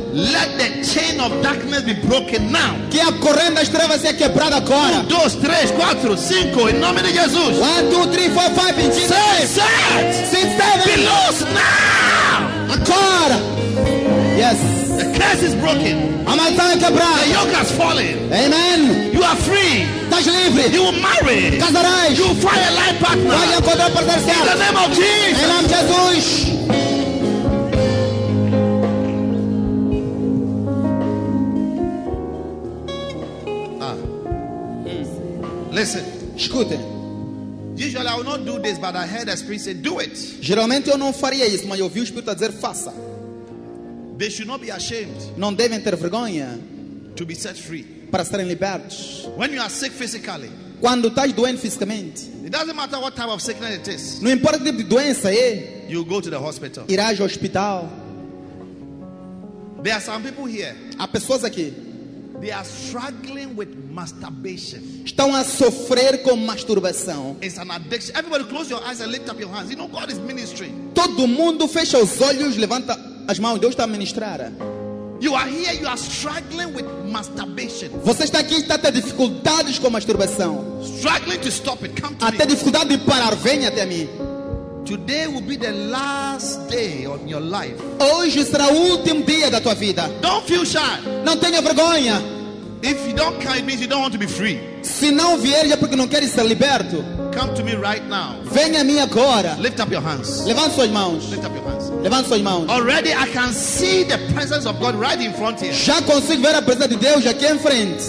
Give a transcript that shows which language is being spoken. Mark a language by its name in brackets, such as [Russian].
[English] Let the chain of darkness be broken now. [Portuguese] Que a corrente das trevas seja quebrada agora. 1, 2, 3, 4, 5, em nome de Jesus. 1, 2, 3, 4, 5, em Jesus. 6, 7, 6, 7. [English] Be loose now. [Portuguese] Agora. [English] Yes. The curse is broken. [Portuguese] A maldição é quebrada. [English] The yoke has fallen. Amen. You are free. [Portuguese] Estás livre. [English] You will marry. [Portuguese] Casarás. [English] You will find a life partner. [Portuguese] Vai encontrar parceiro certo. [English] In the name of Jesus. [Portuguese] Em nome de Jesus. [English] Listen, [Portuguese] escute. [English] Usually I will not do this, but I heard the Spirit say, "Do it." [Portuguese] Geralmente eu não faria isso, mas eu ouvi o Espírito a dizer, faça. [English] They should not be ashamed. [Portuguese] Não devem ter vergonha. [English] To be set free. [Portuguese] Para serem libertos. [English] When you are sick physically. [Portuguese] Quando estás doente fisicamente. [English] It doesn't matter what type of sickness it is. [Portuguese] Não importa o tipo de doença é. [English] You go to the hospital. [Portuguese] Irás ao hospital. [English] There are some people here. [Portuguese] Há pessoas aqui. [English] They are struggling with masturbation. [Portuguese] Estão a sofrer com masturbação. [English] It's an addiction. Everybody close your eyes and lift up your hands. You know God is ministering. [Portuguese] Todo mundo fecha os olhos, levanta as mãos. Deus está a ministrar. [English] You are here, you are struggling with masturbation. [Portuguese] Você está aqui, está a ter dificuldades com masturbação. [English] Struggling to stop it. Come to me. [Portuguese] Até dificuldade de parar, venha até mim. [English] Today will be the last day of your life. [Portuguese] Hoje será o último dia da tua vida. [English] Don't feel shy. [Portuguese] Não tenha vergonha. [English] If you don't come, it means you don't want to be free. [Portuguese] Se não vier, é porque não queres ser liberto. [English] Come to me right now. [Portuguese] Venha a mim agora. [English] Lift up your hands. [Portuguese] Levanta suas mãos. [English] Lift up your hands. [Portuguese] Levanta suas mãos. [English] Already I can see the presence of God right in front here. [Portuguese] Já consigo ver a presença de Deus aqui em frente.